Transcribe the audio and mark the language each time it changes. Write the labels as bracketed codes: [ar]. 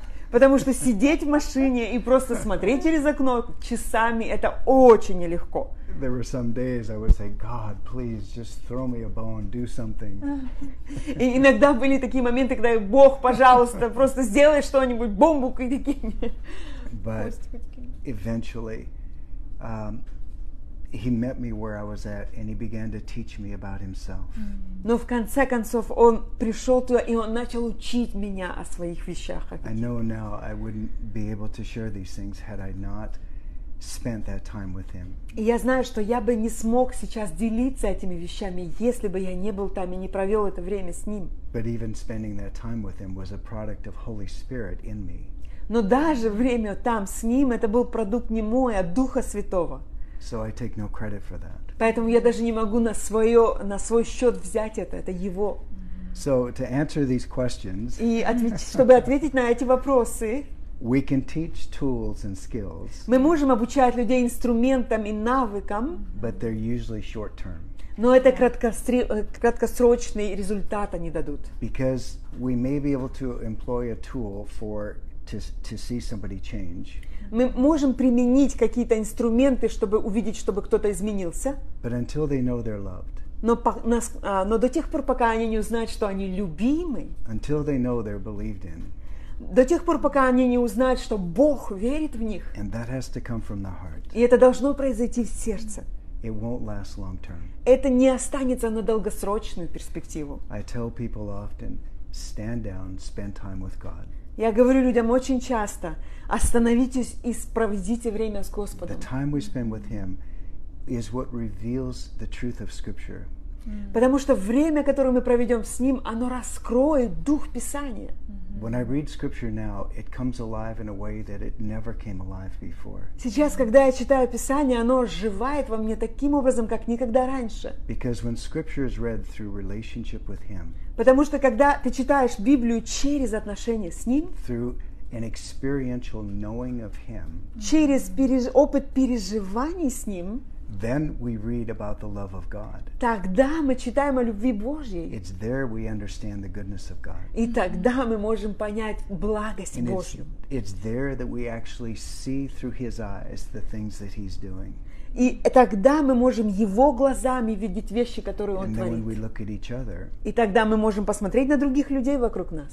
[ru] Потому что сидеть в машине и просто смотреть через окно часами – это очень нелегко. [en] There were some days I would say, God, please, just throw me a bone, do something. [ru] И иногда были такие моменты, когда Бог, пожалуйста, просто сделай что-нибудь, бомбу какие-нибудь. [en] But eventually, he met me where I was at, and he began to teach me about himself. [ru] Но в конце концов он пришел туда и он начал учить меня о своих вещах. [en] I know now I wouldn't be able to share these things had I not spent that time with him. [ru] И я знаю, что я бы не смог сейчас делиться этими вещами, если бы я не был там и не провел это время с ним. [en] But even spending that time with him was a product of Holy Spirit in me. [ru] Но даже время там с ним это был продукт не мой, а Духа Святого. [en] So I take no credit for that. [ru] Поэтому я даже не могу на свой счет взять это его. [en] So to answer these questions. [ru] И чтобы ответить на эти вопросы. [en] We can teach tools and skills. [ru] Мы можем обучать людей инструментам и навыкам. [en] But they're usually short term. [ru] Но это краткосрочные результаты не дадут. [en] Because we may be able to employ a tool to see somebody change. [ru] Мы можем применить какие-то инструменты, чтобы увидеть, чтобы кто-то изменился. [en] But until they know they're loved. [ru] Но до тех пор, пока они не узнают, что они любимы. [en] Until they know they're believed in. [ru] До тех пор, пока они не узнают, что Бог верит в них. [en] And that has to come from the heart. [ru] И это должно произойти в сердце. [en] It won't last long term. [ru] Это не останется на долгосрочную перспективу. [en] I tell people often, stand down, spend time with God. [ru] Я говорю людям очень часто, остановитесь и проведите время с Господом. [en] The time we spend with Him is what reveals the truth of Scripture. [ru] Потому что время, которое мы проведем с Ним, оно раскроет Дух Писания. [en] When I read Scripture now, it comes alive in a way that it never came alive before. [ru] Сейчас, когда я читаю Писание, оно оживает во мне таким образом, как никогда раньше. [en] Because when Scripture is read through relationship with Him. [ru] Потому что когда ты читаешь Библию через отношения с Ним, [en] through an experiential knowing of Him, [ru] через опыт переживаний с Ним, [en] then we read about the love of God. [ru] Тогда мы читаем о любви Божьей. [en] It's there we understand the goodness of God. [ru] И тогда мы можем понять благость Божью. [en] It's there that we actually see through His eyes the things that He's doing. [ru] И тогда мы можем Его глазами видеть вещи, которые Он творит. [en] Other, [ru] и тогда мы можем посмотреть на других людей вокруг нас.